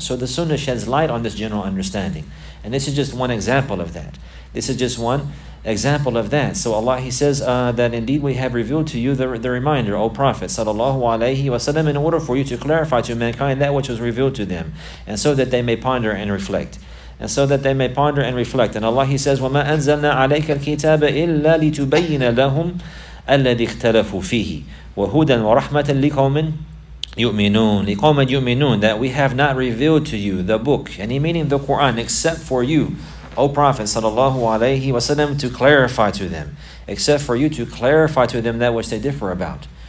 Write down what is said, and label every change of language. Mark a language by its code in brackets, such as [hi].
[en] So the sunnah sheds light on this general understanding. And this is just one example of that. So Allah, He says that indeed we have revealed to you the reminder, O Prophet sallallahu alayhi wa sallam, in order for you to clarify to mankind that which was revealed to them, and so that they may ponder and reflect. And Allah, He says, [ar] وَمَا أَنزَلْنَا عَلَيْكَ الْكِتَابَ إِلَّا لِتُبَيِّنَ لَهُمْ أَلَّذِي اخْتَلَفُوا فِيهِ وَهُدًا وَرَحْمَةً لِقَوْمٍ يُؤْمِنُونَ لِقَوْمٍ يُؤْمِنُونَ. [en] That we have not revealed to you the book, and meaning the Quran, except for you, O Prophet sallallahu alayhi wa sallam, to clarify to them. Except for you to clarify to them that which they differ about.